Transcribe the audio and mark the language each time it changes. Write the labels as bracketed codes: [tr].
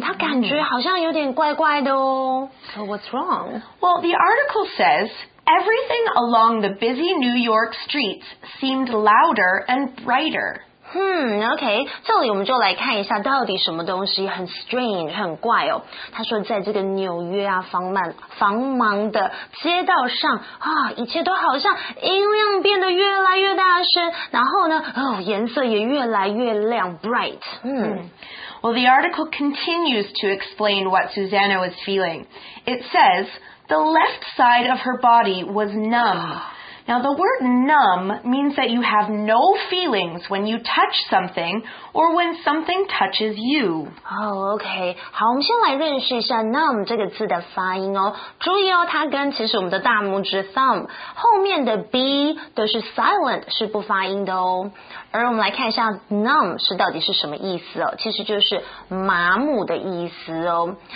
[zh] 她感觉好像有点怪怪的哦。 [en] So what's wrong? Well, the article says, everything along the busy New York streets seemed louder and brighter. [zh] Okay, 这里我们就来看一下到底什么东西很 strange, 很怪哦。他说在这个纽约啊繁忙的街道上啊一切都好像音量变得越来越大声然后呢哦颜色也越来越亮 bright. [en] Well, the article continues to explain what Susanna was feeling. It says, the left side of her body was numb. Now, the word numb means that you have no feelings when you touch something or when something touches you. Oh, okay. [zh] 好，我们先来认识一下 numb 这个字的发音哦。注意哦，它跟其实我们的大拇指 thumb 后面的 b 都是 silent, 是不发音的哦。而我们来看一下 numb 是到底是什么意思哦，其实就是麻木的意思哦。